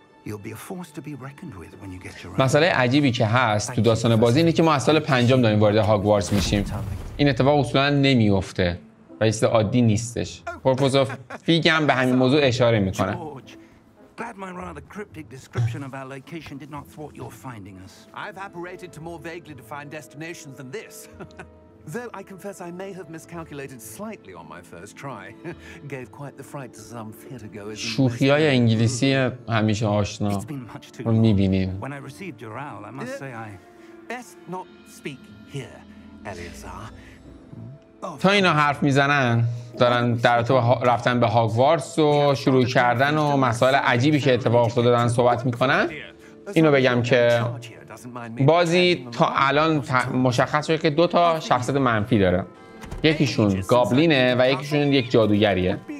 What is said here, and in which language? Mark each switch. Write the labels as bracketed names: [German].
[English] You'll be a force to be reckoned with when you get your own. [Persian] مسئله عجیبی که هست تو داستان بازی اینه که ما از سال پنجم داریم وارد هاگوارتس میشیم. این اتفاق اصولا نمیفته و چیز عادی نیستش. پروفسور فیگ هم به همین موضوع اشاره میکنه. [English] Glad my rather cryptic description of our location did not thwart your finding us. I've operated to more vaguely defined destinations than this. Though I confess I may have miscalculated slightly on my first try. Gave quite the fright to some theatergoers. [Persian] شوخی‌های انگلیسی همیشه آشنا رو می‌بینیم. [English] When I received your owl, I must say I best not speak here, Eleazar. [Persian] تا اینا حرف میزنن، دارن در تو رفتن به هاگوارتس و شروع کردن و مسائل عجیبی که اتفاق افتاده دارن صحبت میکنن، اینو بگم که بازی تا الان مشخص شده که دو تا شخصیت منفی داره، یکیشون گابلینه و یکیشون یک جادوگریه.